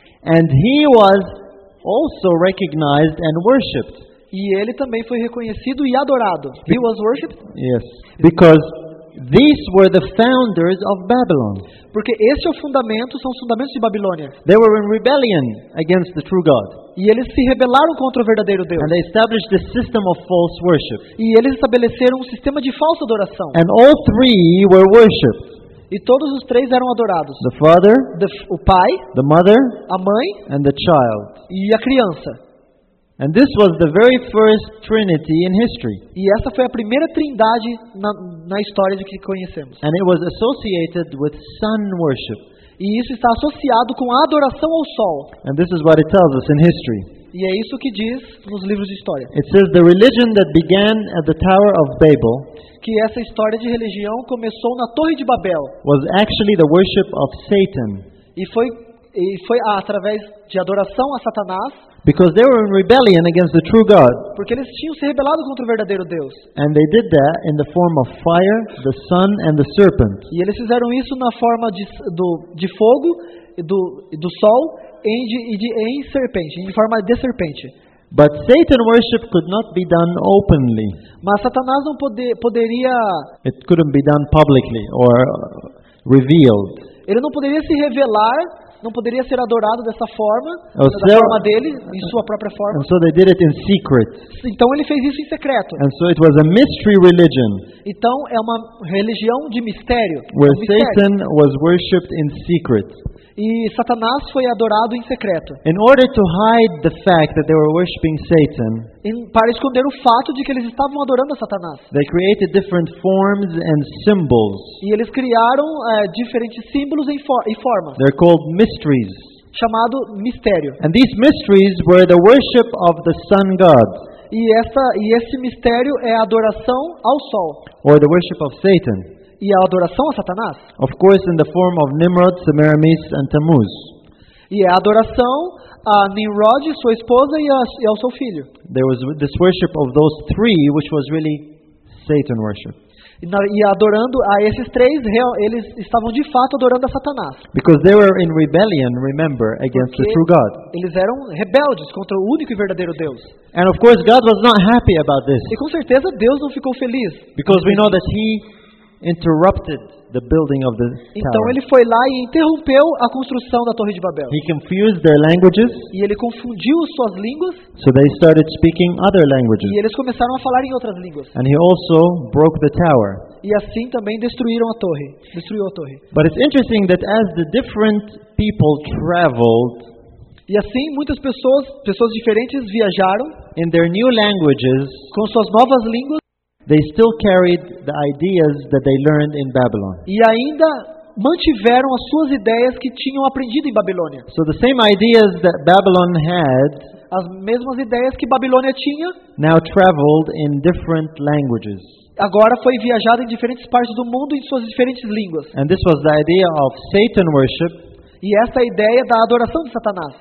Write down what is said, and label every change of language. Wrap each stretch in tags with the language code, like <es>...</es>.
<en>And he was also recognized and worshipped.</en> <pt>E ele também foi reconhecido e adorado.</pt> <en>He was worshipped? Yes. Because these were the founders of Babylon.</en> <pt>Porque esse é o fundamento, são os fundamentos de Babilônia.</pt> <en>They were in rebellion against the true God.</en> <pt>E eles se rebelaram contra o verdadeiro Deus.</pt> <en>And they established a system of false worship.</en> <pt>E eles estabeleceram um sistema de falsa adoração.</pt> <en>And all three were worshipped.</en> <pt>E todos os três eram adorados.</pt> <en>The father,</en> <pt>o pai,</pt> <en>the mother,</en> <pt>a mãe,</pt> <en>and the child.</en> <pt>E a criança.</pt> <en>And this was the very first trinity in history.</en> <pt>E essa foi a primeira trindade na história de que conhecemos.</pt> <en>And it was associated with sun worship.</en> <pt>E isso está associado com a adoração ao sol.</pt> <en>And this is what it tells us in history.</en> <pt>E é isso que diz nos livros de história.</pt> <en>It says the religion that began at the Tower of Babel,</en> <pt>que essa história de religião começou na Torre de Babel,</pt> <en>was actually the worship of Satan.</en> <pt>E foi através de adoração a Satanás.</pt> <en>Because they were in rebellion against the true God.</en> <pt>Porque eles tinham se rebelado contra o verdadeiro Deus.</pt> <en>And they did that in the form of fire, the sun, and the serpent.</en> <pt>E eles fizeram isso na forma de fogo, do sol, em serpente, em forma de serpente.</pt> <en>But Satan worship could not be done openly.</en> <pt>Mas Satanás não poderia.</pt> <en>It couldn't be done publicly or revealed.</en> <pt>Ele não poderia se revelar. Não poderia ser adorado dessa forma, da forma dele, em sua própria forma.</pt> <en>And so they did it in secret.</en> <pt>Então ele fez isso em secreto.</pt> <en>And so it was a mystery religion.</en> <pt>Então é uma religião de mistério.</pt> <en>Where Satan was worshipped in secret.</en> <pt>E Satanás foi adorado em secreto.</pt> <en>In order to hide the fact that they were worshipping Satan,</en> <pt>para esconder o fato de que eles estavam adorando a Satanás,</pt> <en>they created different forms and symbols.</en> <pt>E eles criaram diferentes símbolos e formas.</pt> <en>They're called mysteries.</en> <pt>Chamado mistério.</pt> <en>And these mysteries were the worship of the sun god.</en> <pt>E esse mistério é a adoração ao sol.</pt> <en>Or the worship of Satan.</en> <pt>E a adoração a Satanás.</pt> <en>Of course, in the form of Nimrod, Semiramis, and Tammuz.</en> <pt>E a adoração a Nimrod, sua esposa, e ao seu filho.</pt> <en>There was this worship of those three, which was really Satan worship.</en> <pt>E adorando a esses três, eles estavam de fato adorando a Satanás.</pt> <en>Because they were in rebellion, remember, against</en> <pt>Porque</pt> <en>the true God.</en> <pt>Eles eram rebeldes contra o único e verdadeiro Deus.</pt> <en>And of course, God was not happy about this.</en> <pt>E com certeza Deus não ficou feliz.</pt> <en>Because we know that He interrupted the building of the tower.</en> <pt>Então ele foi lá e interrompeu a construção da Torre de Babel.</pt> <en>He confused their languages.</en> <pt>E ele confundiu suas línguas.</pt> <en>So they started speaking other languages.</en> <pt>E eles começaram a falar em outras línguas.</pt> <en>And he also broke the tower.</en> <pt>E assim também destruíram a torre. Destruiu a torre.</pt> <en>But it's interesting that as the different people traveled,</en> <pt>e assim muitas pessoas diferentes viajaram</pt> <en>in their new languages,</en> <pt>com suas novas línguas.</pt> <en>They still carried the ideas that they learned in Babylon.</en> <pt>E ainda mantiveram as suas ideias que tinham aprendido em Babilônia.</pt> <en>So the same ideas that Babylon had,</en> <pt>as mesmas ideias que Babilônia tinha,</pt> <en>now traveled in different languages.</en> <pt>Agora foi viajado em diferentes partes do mundo em suas diferentes línguas.</pt> <en>And this was the idea of Satan worship.</en> <pt>E essa ideia da adoração de Satanás.</pt>